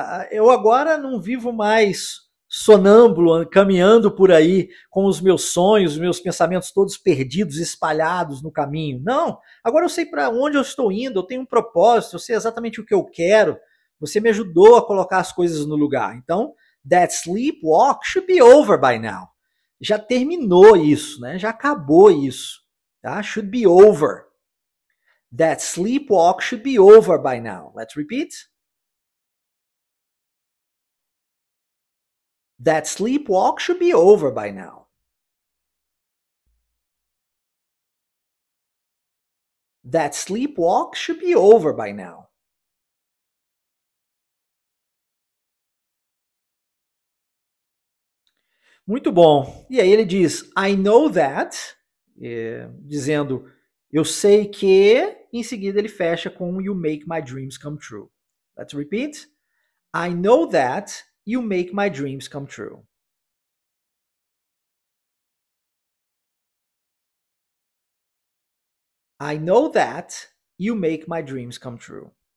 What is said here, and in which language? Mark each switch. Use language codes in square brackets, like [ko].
[pt] Eu agora não vivo mais sonâmbulo, caminhando por aí com os meus sonhos, meus pensamentos todos perdidos, espalhados no caminho. Não, agora eu sei para onde eu estou indo, eu tenho um propósito, eu sei exatamente o que eu quero. Você me ajudou a colocar as coisas no lugar. Então, [en] that sleepwalk should be over by now. [pt] Já terminou isso, né? Já acabou isso, tá? [en] Should be over. That sleepwalk should be over by now. Let's repeat. That sleepwalk should be over by now. That sleepwalk should be over by now. [pt] Muito bom. E aí ele diz, [en] I know that, [pt] dizendo, eu sei que, em seguida ele fecha com, [en] you make my dreams come true. Let's repeat. I know that, you make my dreams come true. I know that, you make my dreams come true.